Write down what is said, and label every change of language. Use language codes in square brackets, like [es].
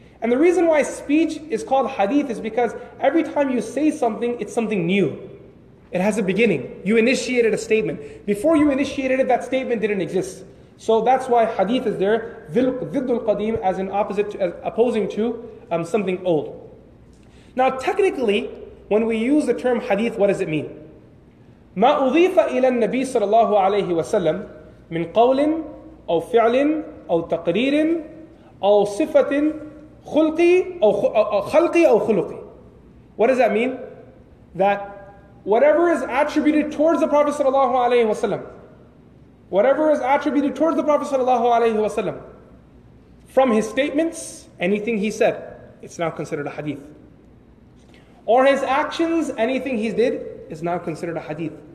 [en] And the reason why speech is called hadith is because every time you say something, it's something new. It has a beginning. You initiated a statement. Before you initiated it, that statement didn't exist. So that's why hadith is there, ziddul qadim, as opposing to something old. Now technically, when we use the term hadith, what does it mean? [ar] مَا أُضِيفَ إِلَى النَّبِي صَلَى اللَّهُ عَلَيْهِ وَسَلَّمَ مِنْ قَوْلٍ أَوْ فِعْلٍ أَوْ تَقْرِيرٍ أَوْ صِفَةٍ خَلْقِي أَوْ خُلُقِي [en] What does that mean? That whatever is attributed towards the Prophet صلى الله عليه وسلم, whatever is attributed towards the Prophet sallallahu alaihi wasallam, from his statements, anything he said, it's now considered a hadith. Or his actions, anything he did, is now considered a hadith.